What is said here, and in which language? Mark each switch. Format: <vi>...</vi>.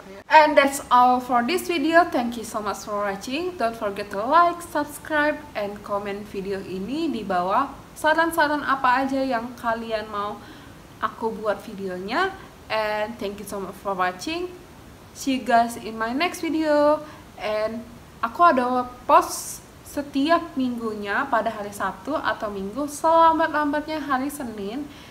<en>and that's all for this video. Thank you so much for watching. Don't forget to like, subscribe, and comment</en> <id>video ini di bawah. Saran-saran apa aja yang kalian mau aku buat videonya.</id> <en>And thank you so much for watching. See you guys in my next video.</en> <id>And aku ada post setiap minggunya pada hari Sabtu atau Minggu, selambat-lambatnya hari Senin.</id>